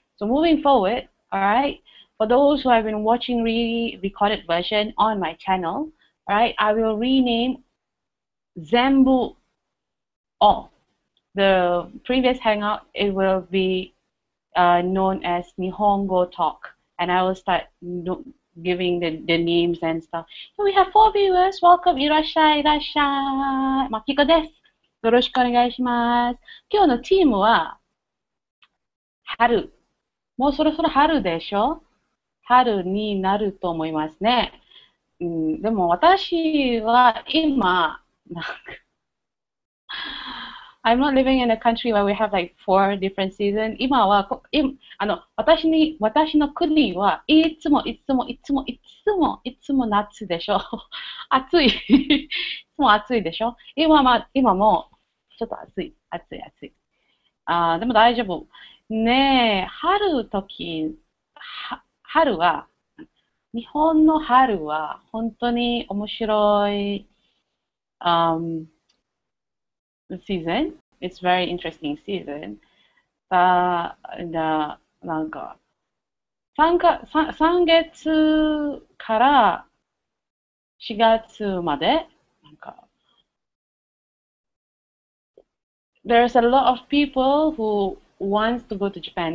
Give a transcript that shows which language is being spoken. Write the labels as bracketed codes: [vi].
[en] So moving forward, all right, for those who have been watching re-recorded version on my channel, right, I will rename Zenbu O. The previous hangout, it will be known as Nihongo Talk, and I will start no giving the names and stuff. So we have four viewers. Welcome, [ja] いらっしゃい。Makiko desu. よろしくお願いします。今日のチームは春。もうそろそろ春でしょ？春になると思いますね。でも私は今、 [en] I'm not living in a country where we have like four different seasons. [ja] 今は、今、あの、私に、私の国はいつも夏でしょ。暑い。いつも暑いでしょ。今も、ちょっと暑い。でも大丈夫。ねえ、春は、日本の春は本当に面白い、season. [en] It's very interesting season. [ja] なんか、3月から4月まで、なんか、 [en] There's a lot of people who want to go to Japan.